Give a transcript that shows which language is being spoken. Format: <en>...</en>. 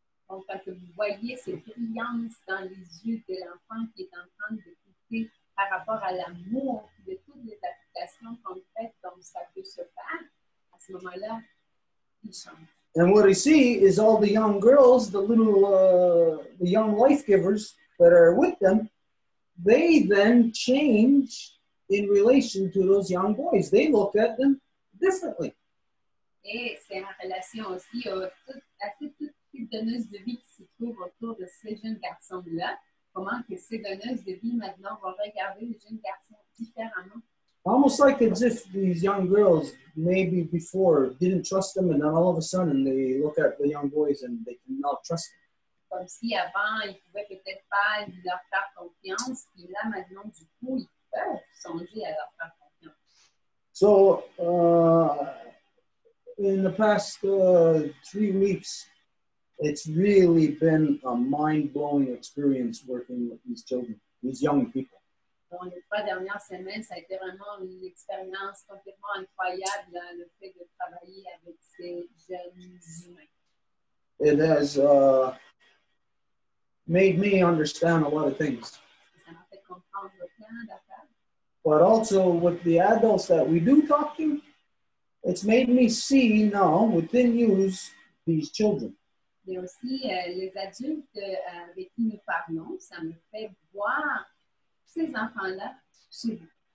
<en>And what I see is all the young girls, the little, the young life givers that are with them, they then change in relation to those young boys. They look at them differently.</en> <fr>Et c'est en relation aussi à toutes les donneuses de vie qui se trouvent autour de ces jeunes garçons-là. Comment que ces donneuses de vie maintenant vont regarder les jeunes garçons différemment?</fr> <en>Almost like as if these young girls maybe before didn't trust them and then all of a sudden they look at the young boys and they cannot trust them.</en> <fr>Comme si avant ils pouvaient peut-être pas leur faire confiance, puis là maintenant du coup ils peuvent songer à leur faire confiance.</fr> <en>So, in the past 3 weeks, it's really been a mind-blowing experience working with these children, these young people.</en> <fr>Dans les trois dernières semaines, ça a été vraiment une expérience complètement incroyable, le fait de travailler avec ces jeunes humains.</fr> <en>It has made me understand a lot of things.</en> <fr>Ça m'a fait comprendre plein d'affaires.</fr> <en>But also with the adults that we do talk to, it's made me see now within use these children.</en> <fr>Mais aussi les adultes avec qui nous parlons, ça me fait voir ces enfants-là chez vous.</fr>